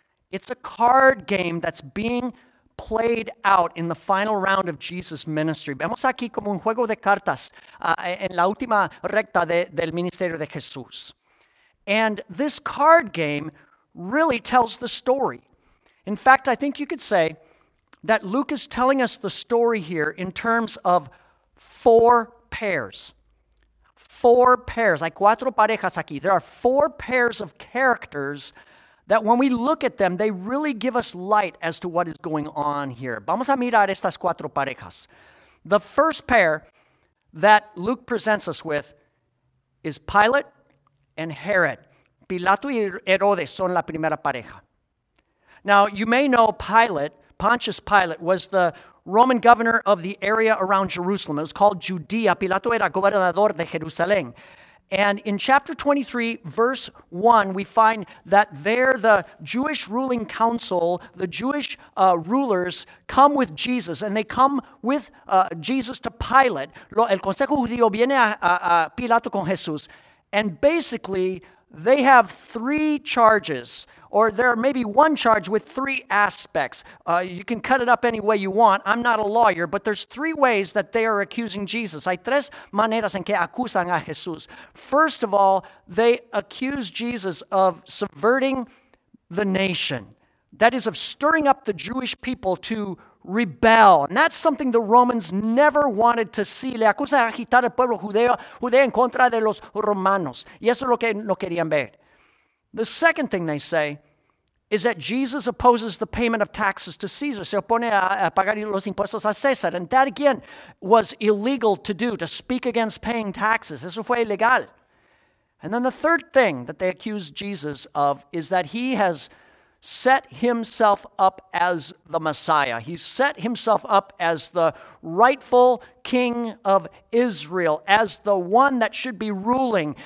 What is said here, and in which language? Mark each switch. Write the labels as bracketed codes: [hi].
[en] It's a card game that's being played out in the final round of Jesus' ministry. [es] Vemos aquí como un juego de cartas en la última recta del ministerio de Jesús. [en] And this card game really tells the story. In fact, I think you could say that Luke is telling us the story here in terms of four pairs. Four pairs. [es] Hay cuatro parejas aquí. [en] There are four pairs of characters that when we look at them, they really give us light as to what is going on here. [es] Vamos a mirar estas cuatro parejas. [en] The first pair that Luke presents us with is Pilate and Herod. [es] Pilato y Herodes son la primera pareja. [en] Now, you may know Pilate. Pontius Pilate was the Roman governor of the area around Jerusalem. It was called Judea. [es] Pilato era gobernador de Jerusalén. [en] And in chapter 23, verse 1, we find that there the Jewish ruling council, the Jewish rulers, come with Jesus. And they come with Jesus to Pilate. [es] El Consejo Judío viene a Pilato con Jesús. [en] And basically, they have three charges, or there may be one charge with three aspects. You can cut it up any way you want. I'm not a lawyer, but there's three ways that they are accusing Jesus. [es] Hay tres maneras en que acusan a Jesús. [en] First of all, they accuse Jesus of subverting the nation. That is, of stirring up the Jewish people to rebel. And that's something the Romans never wanted to see. [es] Le acusan de agitar al pueblo judeo en contra de los romanos. Y eso es lo que no querían ver. [en] The second thing they say is that Jesus opposes the payment of taxes to Caesar. [es] Se opone a pagar los impuestos a César. [en] And that, again, was illegal to do, to speak against paying taxes. [es] Eso fue ilegal. [en] And then the third thing that they accuse Jesus of is that he has set himself up as the Messiah. He set himself up as the rightful king of Israel, as the one that should be ruling.